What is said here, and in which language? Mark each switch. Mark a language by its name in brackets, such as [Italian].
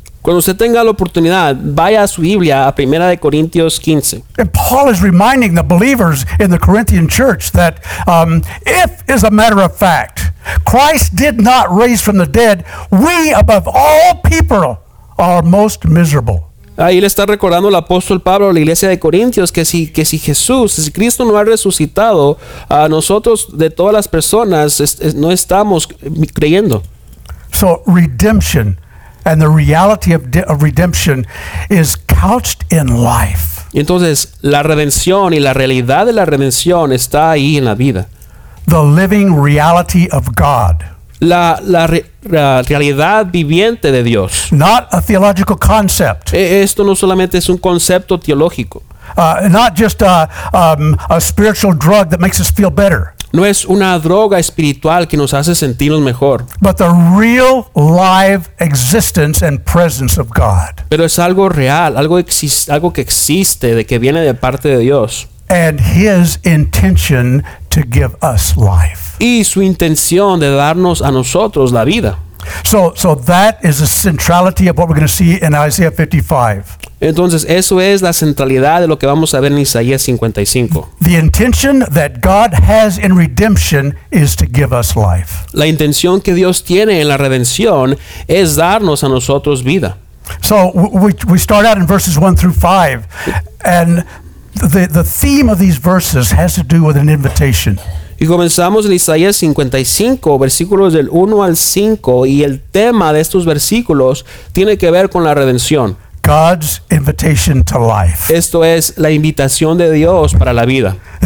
[Spanish] Cuando usted tenga la oportunidad, vaya a su Biblia a 1 Corintios 15. [English] And Paul is reminding the believers in the Corinthian church that if, as a matter of fact, Christ did not raise from the dead, we above all people are most miserable. [Spanish] Ahí le está recordando el apóstol Pablo a la iglesia de Corintios que si Jesús, si Cristo no ha resucitado, a nosotros de todas las personas no estamos creyendo. [English] So redemption and the reality of redemption is couched in life. [Spanish] Entonces, la redención y la realidad de la redención está ahí en la vida. [English] The living reality of God. [Spanish] La realidad viviente de Dios. [English] Not a theological concept. [Spanish] Esto no solamente es un concepto teológico. [English] Not just a spiritual drug that makes us feel better. [Spanish] No es una droga espiritual que nos hace sentirnos mejor. [English] But the real live existence and presence of God. [Spanish] Pero es algo real, algo que existe, de que viene de parte de Dios. [English] And his intention to give us life. [Spanish] Y su intención de darnos a nosotros la vida. [English] So that is the centrality of what we're going to see in Isaiah 55. [Spanish] Entonces, eso es la centralidad de lo que vamos a ver en Isaías 55. [English] The intention that God has in redemption is to give us life. [Spanish] La intención que Dios tiene en la redención es darnos a nosotros vida. [English] So we start out in verses 1 through 5, and the theme of these verses has to do with an invitation. [Spanish] Y comenzamos en Isaías 55, versículos del 1 al 5, y el tema de estos versículos tiene que ver con la redención. [English] God's invitation to life. [Spanish] Esto es la invitación de Dios para la vida.